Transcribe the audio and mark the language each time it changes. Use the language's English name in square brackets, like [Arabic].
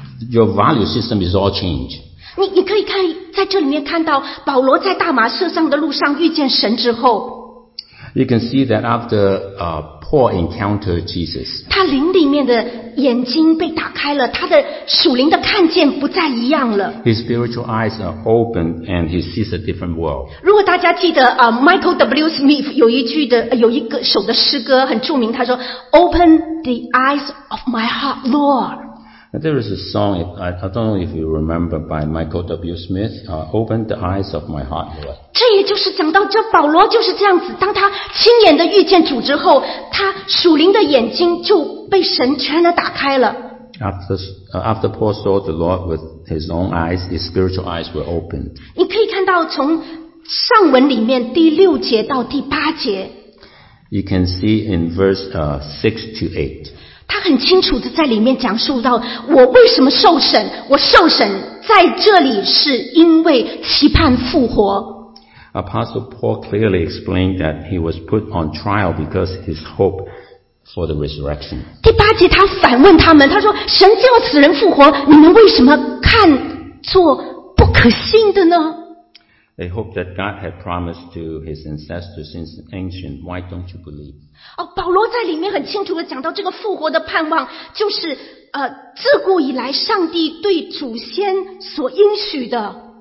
[English] Your value system is all changed. [Chinese] 你可以看在这里面看到保罗在大马色上的路上遇见神之后 [English] You can see that after Paul encountered Jesus [Chinese] 他灵里面的眼睛被打开了他的属灵的看见不再一样了 [English] His spiritual eyes are open and he sees a different world [Chinese] 如果大家记得、Michael W. Smith 有一句的、有一个首的诗歌很著名他说 [English] Open the eyes of my heart, Lord There is a song, I don't know if you remember, by Michael W. Smith, Open the Eyes of My Heart, Lord. [Chinese] 这也就是讲到这保罗就是这样子当他亲眼的遇见主之后他属灵的眼睛就被神全然打开了。 [English] After Paul saw the Lord with his own eyes, his spiritual eyes were opened. [Chinese] 你可以看到从上文里面第六节到第八节。 [English] You can see in verse 6 to 8. [Chinese] 他很清楚地在里面讲述到我为什么受审我受审在这里是因为期盼复活 [English] Apostle Paul clearly explained that he was put on trial because his hope for the resurrection [Chinese] 第八节他反问他们他说神叫死人复活你们为什么看作不可信的呢 [English] They hope that God had promised to his ancestors since ancient why don't you believe? [Chinese] 哦、保罗在里面很清楚地讲到这个复活的盼望就是、自古以来上帝对祖先所应许的